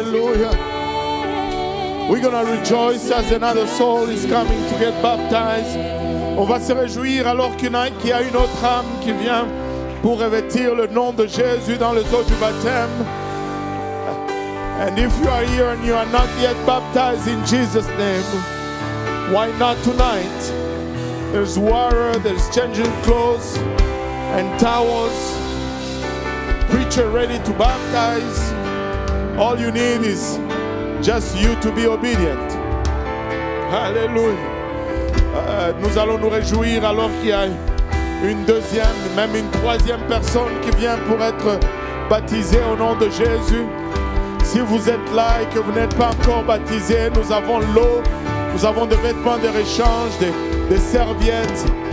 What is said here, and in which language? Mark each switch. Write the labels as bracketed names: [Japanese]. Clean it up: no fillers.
[English] going to rejoice as another soul is coming to get baptized. [French] On va se réjouir alors qu'il y a une autre âme qui vient pour revêtir le nom de Jésus dans les eaux du baptême. [English] And if you are here and you are not yet baptized in Jesus' name, why not tonight? There's water, there's changing clothes and towels. Preacher ready to baptize. All you need is just you to be obedient. Hallelujah. [French] Nous allons nous réjouir alors qu'il y a une deuxième, même une troisième personne qui vient pour être baptisée au nom de Jésus. Si vous êtes là et que vous n'êtes pas encore baptisé, nous avons l'eau, nous avons des vêtements de rechange, des serviettes.